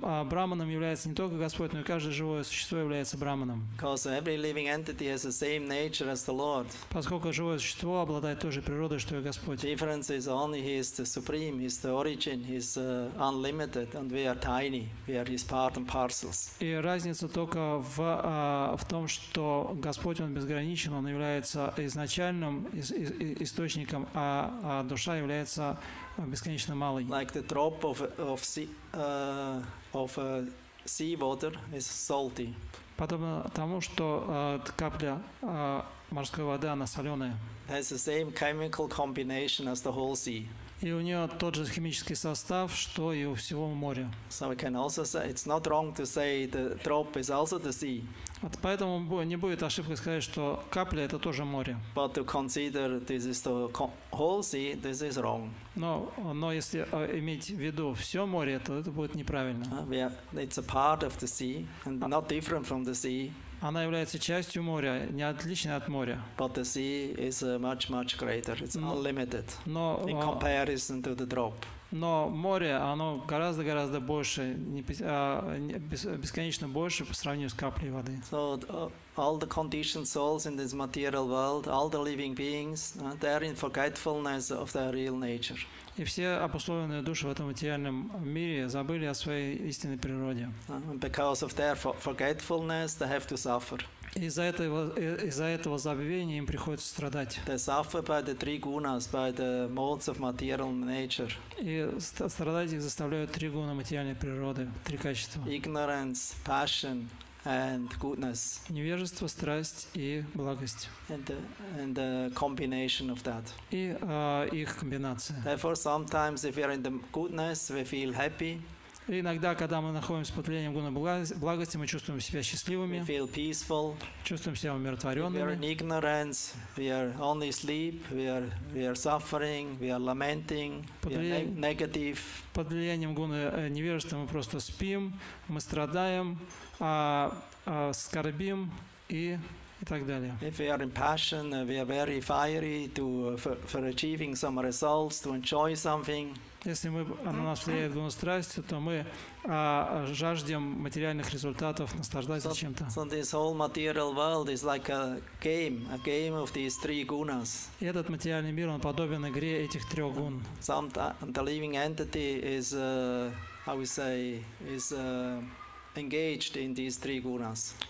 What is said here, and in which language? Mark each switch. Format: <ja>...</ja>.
<ru>Браманом является не только Господь, но и каждое живое существо является браманом.</ru> <en>Because every living entity has the same nature as the Lord.</en> <ru>Поскольку живое существо обладает той же природой, что и Господь.</ru> <en>The difference is only He is the supreme, He is the origin, He is unlimited, and we are tiny, we are His part and parcels.</en> <ru>И разница только в том, что Господь Он безграничен, Он является изначальным источником, а душа является бесконечно малой.</ru> <en>Like the drop of sea. Of sea water is salty.</en> <ru>Подобно тому, что капля морской воды, она соленая.</ru> <en>It has the same chemical combination as the whole sea.</en> <ru>И у нее тот же химический состав, что и у всего моря.</ru> <en>So we can also say it's not wrong to say the drop is also the sea.</en> <ru>Вот поэтому не будет ошибкой сказать, что капля это тоже море.</ru> <en>But to consider this is the whole sea, this is wrong.</en> <ru>Но если иметь в виду все море, то это будет неправильно.</ru> <en>It's a part of the sea and not different from the sea.</en> <ru>Она является частью моря, не отличной от моря.</ru> <en>But the sea is much, much greater. It's unlimited in comparison to the drop.</en> <ru>Но море, оно гораздо-гораздо больше, бесконечно больше по сравнению с каплей воды.</ru> <en>So all the conditioned souls in this material world, all the living beings, they're in forgetfulness of their real nature.</en> <ru>И все обусловленные души в этом материальном мире забыли о своей истинной природе.</ru> <en>Because of their forgetfulness, they have to suffer.</en> <ru>Из-за этого забвения им приходится страдать.</ru> <en>They suffer by the three gunas, by the modes of material nature.</en> <ru>И страдать их заставляют три гуны материальной природы, три качества.</ru> <en>Ignorance, passion, and goodness.</en> <ru>Невежество, страсть и благость.</ru> <en>And the combination of that.</en> <ru>И их комбинация.</ru> <en>Therefore, sometimes if we are in the goodness, we feel happy.</en> <ru>И иногда, когда мы находимся под влиянием гуны благости, мы чувствуем себя счастливыми.</ru> <en>We feel peaceful.</en> <ru>Чувствуем себя умиротворенными.</ru> <en>We are in ignorance. We are only sleep. We are suffering. We are lamenting. We are negative.</en> <ru>Под влиянием гуны невежества мы просто спим, мы страдаем, скорбим и так далее.</ru> <en>If we are in passion, we are very fiery for achieving some results, to enjoy something.</en> <ru>Если мы на нас влияет гуна страсти, то мы жаждем материальных результатов, наслаждаться чем-то.</ru> <en>So this whole material world is like a game of these three gunas.</en> <ru>И этот материальный мир, он подобен игре этих трех гун.</ru> <en>The living entity is, how we say, is engaged in these three gunas.</en>